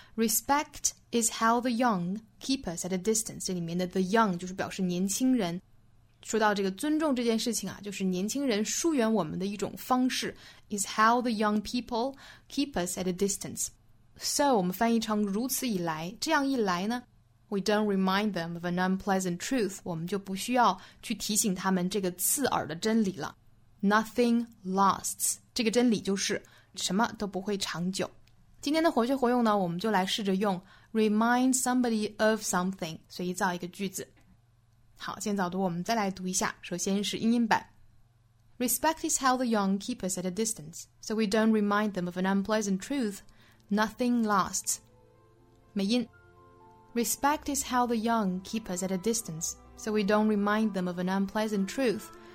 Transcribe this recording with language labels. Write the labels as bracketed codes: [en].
[en] Respect is how the young keep us at a distance. [zh] 这里面的 the young 就是表示年轻人。说到这个尊重这件事情啊，就是年轻人疏远我们的一种方式。 [en] Is how the young people keep us at a distance. So, [zh] 我们翻译成如此以来，这样一来呢， [en] We don't remind them of an unpleasant truth. [zh] 我们就不需要去提醒他们这个刺耳的真理了。 [en] Nothing lasts. [zh] 这个真理就是什么都不会长久。今天的活学活用呢，我们就来试着用 remind somebody of something 随意造一个句子。好，先早读，我们再来读一下。首先是英音版。 [en] Respect is how the young keep us at a distance. So we don't remind them of an unpleasant truth. Nothing lasts. [zh] 美音。 [en] Respect is how the young keep us at a distance, so we don't remind them of an unpleasant truth.